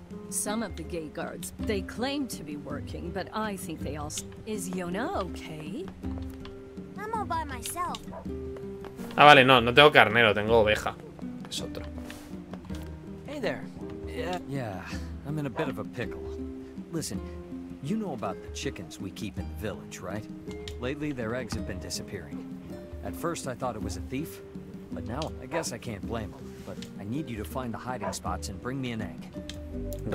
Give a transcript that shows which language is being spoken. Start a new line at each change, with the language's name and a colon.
English: Some of the gate guards, they claim to be working, but I think they all... Is Yona okay? I'm all by myself.
Spanish: Ah, vale, no, no tengo carnero, tengo oveja. Es otro.
English: Hey there. Yeah, I'm in a bit of a pickle. Listen, you know about the chickens we keep in the village, right? Lately, their eggs have been disappearing. At first, I thought it was a thief, but now I guess I can't blame them. But I need you to find the hiding spots and bring me an egg.